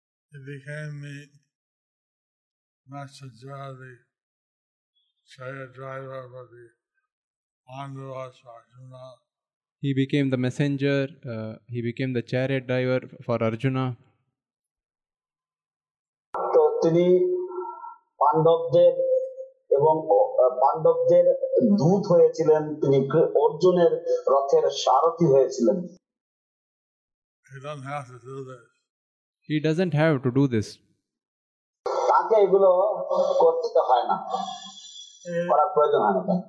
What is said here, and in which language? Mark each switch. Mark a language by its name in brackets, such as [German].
[English] He became the messenger, the chariot driver for the Pandavas, Arjuna. He became the messenger, he became the chariot driver for Arjuna. [Bangla] To tini পাণ্ডবদের দূত হয়েছিলেন, তিনি অর্জুনের রথের সারথি হয়েছিলেন. [English] He doesn't have to do this. He doesn't have to do this. [Bangla] তাকে এগুলো করতে হয় না, করার প্রয়োজন হয় না.